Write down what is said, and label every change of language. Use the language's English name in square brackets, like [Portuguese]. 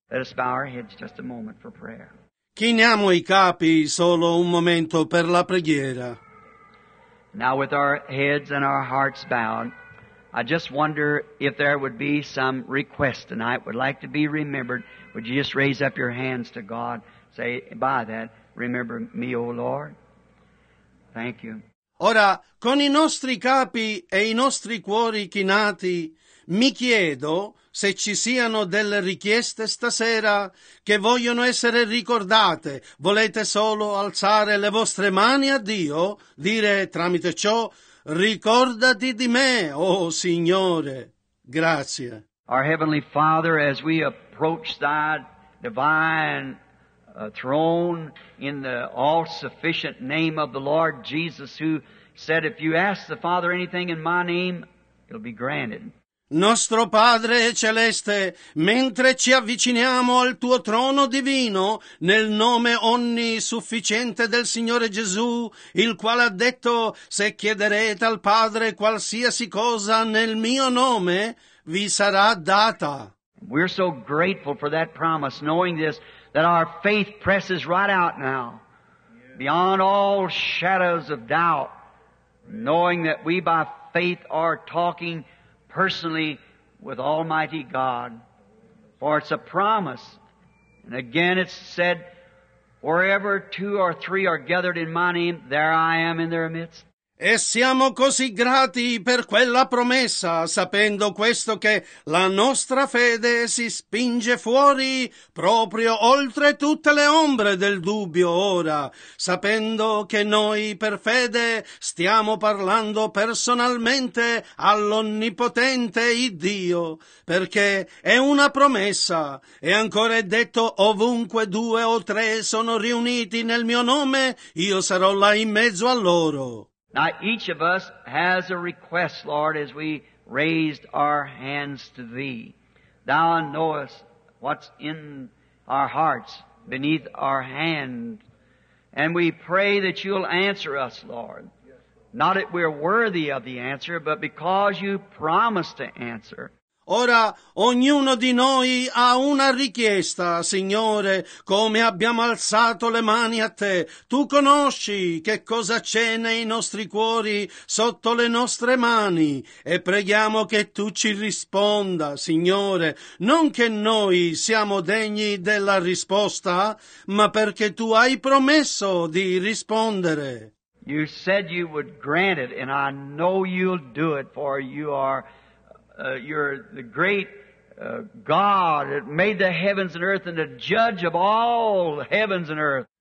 [English] Let us bow our heads just a moment for prayer. [Italian] Chiniamo i capi solo un momento per la preghiera. [English] Now with our heads and our hearts bowed, I just wonder if there would be some request tonight, would like to be remembered. Would you just raise up your hands to God, say, by that, remember me, O Lord. Thank you. [Italian] Ora, con i nostri capi e i nostri cuori chinati, mi chiedo se ci siano delle richieste stasera che vogliono essere ricordate. Volete solo alzare le vostre mani a Dio, dire tramite ciò, ricordati di me, oh Signore. Grazie. [English] Our Heavenly Father, as we approach thy divine throne in the all-sufficient name of the Lord Jesus, who said, if you ask the Father anything in my name, it'll be granted. [Italian] Nostro Padre Celeste, mentre ci avviciniamo al tuo trono divino, nel nome onnisufficiente del Signore Gesù, il quale ha detto, se chiederete al Padre qualsiasi cosa nel mio nome, vi sarà data. [English] We're so grateful for that promise, knowing this, that our faith presses right out now, beyond all shadows of doubt, knowing that we by faith are talking personally with Almighty God, for it's a promise. And again it's said, wherever two or three are gathered in my name, there I am in their midst. [Italian] E siamo così grati per quella promessa, sapendo questo che la nostra fede si spinge fuori proprio oltre tutte le ombre del dubbio ora, sapendo che noi per fede stiamo parlando personalmente all'Onnipotente Iddio, perché è una promessa e ancora è detto: ovunque due o tre sono riuniti nel mio nome, io sarò là in mezzo a loro. [English] Now each of us has a request, Lord, as we raised our hands to Thee. Thou knowest what's in our hearts beneath our hand. And we pray that You'll answer us, Lord. Not that we're worthy of the answer, but because You promised to answer. [Italian] Ora, ognuno di noi ha una richiesta, Signore, come abbiamo alzato le mani a Te. Tu conosci che cosa c'è nei nostri cuori, sotto le nostre mani, e preghiamo che Tu ci risponda, Signore, non che noi siamo degni della risposta, ma perché Tu hai promesso di rispondere. [English] You said You would grant it, and I know You'll do it, for You are... You're the great God that made the heavens and earth and the judge of all heavens and earth.